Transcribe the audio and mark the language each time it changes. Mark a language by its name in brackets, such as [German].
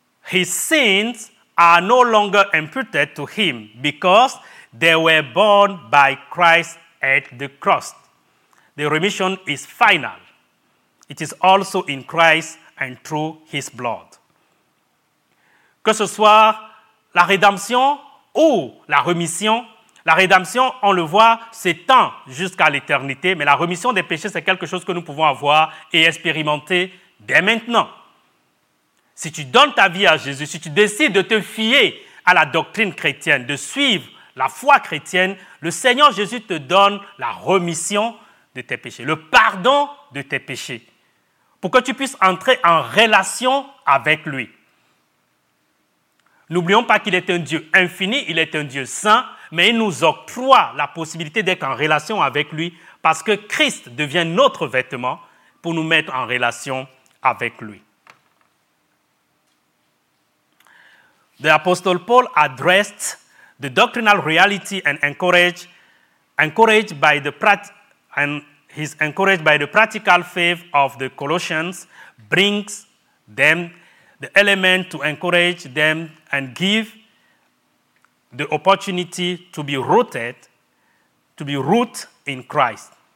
[English] His sins are no longer imputed to him because they were borne by Christ at the cross. The remission is final. It is also in Christ and through his blood. [French] Que ce soit la rédemption ou la remission, la rédemption, on le voit, s'étend jusqu'à l'éternité, mais la remission des péchés, c'est quelque chose que nous pouvons avoir et expérimenter dès maintenant. Si tu donnes ta vie à Jésus, si tu décides de te fier à la doctrine chrétienne, de suivre la foi chrétienne, le Seigneur Jésus te donne la remission de tes péchés, le pardon de tes péchés, pour que tu puisses entrer en relation avec lui. N'oublions pas qu'il est un Dieu infini, il est un Dieu saint, mais il nous octroie la possibilité d'être en relation avec lui parce que Christ devient notre vêtement pour nous mettre en relation avec lui. [English] The Apostle Paul addressed the doctrinal reality and encouraged by the practical faith of the Colossians, brings them the element to encourage them and give the opportunity to be rooted, to be root in Christ.